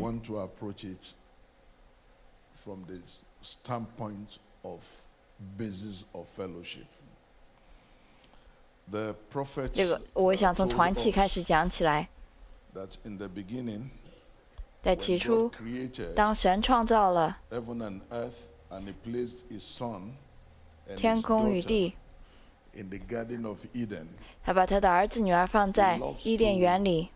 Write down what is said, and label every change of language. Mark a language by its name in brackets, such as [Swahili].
[Chinese] 我想要 [English] approach it from the standpoint of basis of fellowship. The prophet, [Chinese] 这个我想从团契开始讲起来。 [English] That in the beginning, [Chinese] 在起初 [English] when God created, [Chinese] 当神创造了 [English] heaven and earth, and he placed his son and [Chinese] 天空与地 [English] in the garden of Eden, [Chinese] 他把他的儿子女儿放在伊甸园里。